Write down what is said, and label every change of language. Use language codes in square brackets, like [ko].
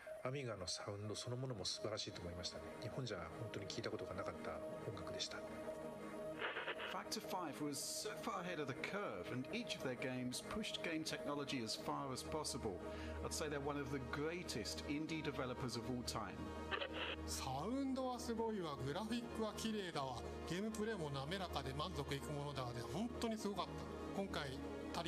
[ja] アミガのサウンドそのものも素晴らしいと思いましたね。日本じゃ本当に聞いたことがなかった音楽でした。 [en] Factor 5 was so far ahead of the curve, and each of their games pushed game technology as far as possible. I'd say they're one of the greatest indie developers of all time. [ja] サウンドはすごいわ、グラフィックは綺麗だわ、ゲームプレイも滑らかで満足いくものだわ、本当にすごかった。